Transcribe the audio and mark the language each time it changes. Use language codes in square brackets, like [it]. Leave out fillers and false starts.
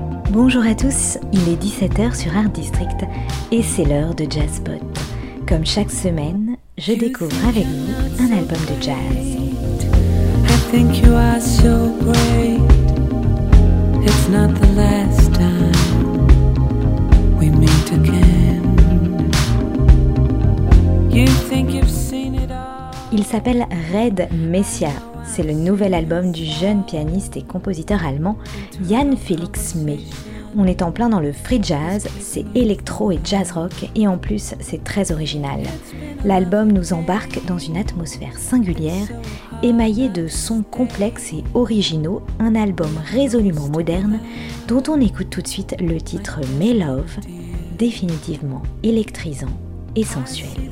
[fr] Bonjour à tous, il est 17h sur Art District et c'est l'heure de Jazzpot. Comme chaque semaine, je découvre avec vous un album de jazz. [en] I think you are so great. It's not the last time we meet again. You think you've seen it all. [fr] Il s'appelle Red Messia. C'est le nouvel album du jeune pianiste et compositeur allemand Jan Felix May. On est en plein dans le free jazz, c'est électro et jazz rock, et en plus, c'est très original. L'album nous embarque dans une atmosphère singulière, émaillée de sons complexes et originaux, un album résolument moderne, dont on écoute tout de suite le titre May Love, définitivement électrisant et sensuel.